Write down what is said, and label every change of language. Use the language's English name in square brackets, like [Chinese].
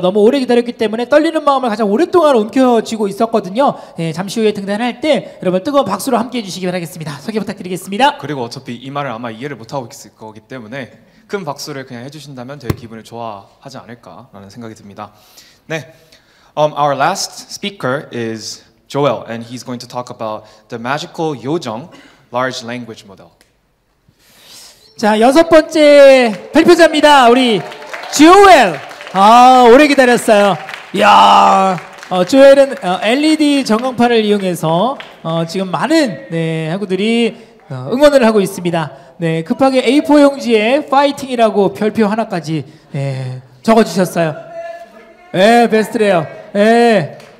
[Korean] 너무 오래 기다렸기 때문에 떨리는 마음을 가장 오랫동안 움켜쥐고 있었거든요. 예, 잠시 후에 등단할 때 여러분 뜨거운 박수로 함께해 주시기 바라겠습니다. 소개 부탁드리겠습니다. 그리고 어차피 이 말을 아마 이해를 못하고 있을 거기 때문에 큰 박수를 그냥 해주신다면 되게 기분을 좋아하지 않을까라는 생각이 듭니다. [English] 네, our last speaker is Joel, and he's going to talk about the magical Yojong large language model. [Korean] 자, 여섯 번째 발표자입니다. 우리 Joel. 아, 오래 기다렸어요. 이야, Joel은 LED 전광판을 이용해서 지금 많은 네, 학우들이 응원을 하고 있습니다. 네, 급하게 A4 용지에 파이팅이라고 별표 하나까지 네, 적어주셨어요. 네, 베스트래요. 네.